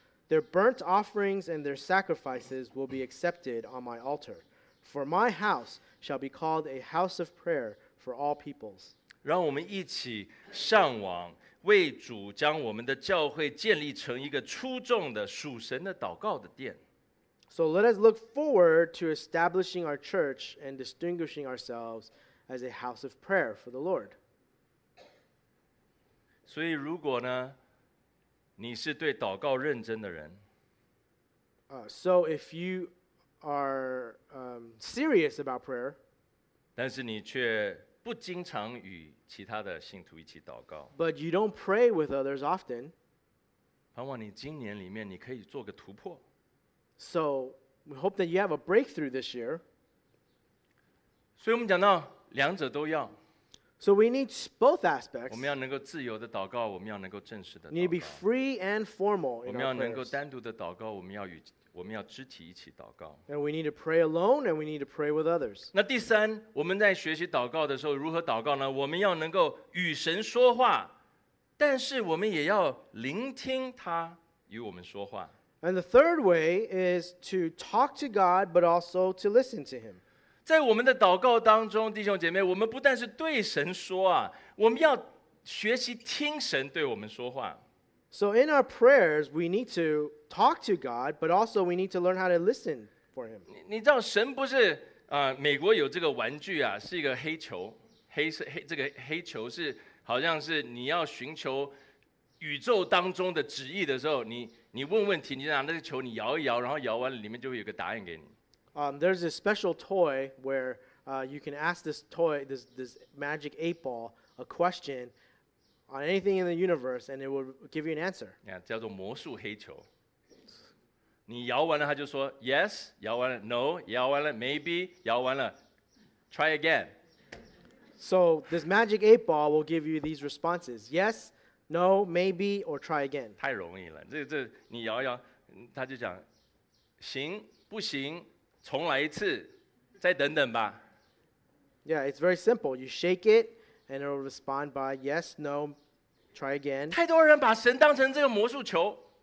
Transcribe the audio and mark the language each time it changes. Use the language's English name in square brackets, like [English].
[English] Their burnt offerings and their sacrifices will be accepted on my altar, for my house shall be called a house of prayer for all peoples. [Chinese] 让我们一起上网，为主将我们的教会建立成一个出众的属神的祷告的殿。 [English] So let us look forward to establishing our church and distinguishing ourselves. As a house of prayer for the Lord. [Chinese] 所以如果呢，你是对祷告认真的人。 [English] So if you are serious about prayer. [Chinese] 但是你却不经常与其他的信徒一起祷告。 [English] But you don't pray with others often. [Chinese] 盼望你今年里面你可以做个突破。 [English] So we hope that you have a breakthrough this year. [Chinese] 所以我们讲到两者都要。 [English] So we need both aspects. [Chinese] 我们要能够自由的祷告，我们要能够正式的祷告。 [English] We need to be free and formal in our prayers. [Chinese] 我们要能够单独的祷告，我们要肢体一起祷告。 [English] And we need to pray alone, and we need to pray with others. [Chinese] 那第三，我们在学习祷告的时候如何祷告呢？我们要能够与神说话，但是我们也要聆听他与我们说话。 [English] And the third way is to talk to God, but also to listen to Him. [Chinese] 在我们的祷告当中，弟兄姐妹，我们不但是对神说啊，我们要学习听神对我们说话。 [English] So in our prayers, we need to talk to God, but also we need to learn how to listen for Him. [Chinese] 你知道神不是美国有这个玩具啊，是一个黑球，这个黑球是好像是你要寻求宇宙当中的旨意的时候，你问问题，你拿那个球你摇一摇，然后摇完了里面就会有个答案给你。 [English] There's a special toy where you can ask this toy, this magic eight ball, a question on anything in the universe, and it will give you an answer. Yeah, [Chinese] 叫做魔术黑球。你摇完了，他就说 [English] yes, [Chinese] 摇完了 [English] no, [Chinese] 摇完了 [English] maybe, [Chinese] 摇完了 [English] try again. So this magic eight ball will give you these responses: yes, no, maybe, or try again. [Chinese] 太容易了，这你摇摇，他就讲行不行。重来一次，再等等吧。 [English] Yeah, it's very simple. You shake it, and it will respond by yes, no, try again. [Chinese] 太多人把神当成这个魔术球。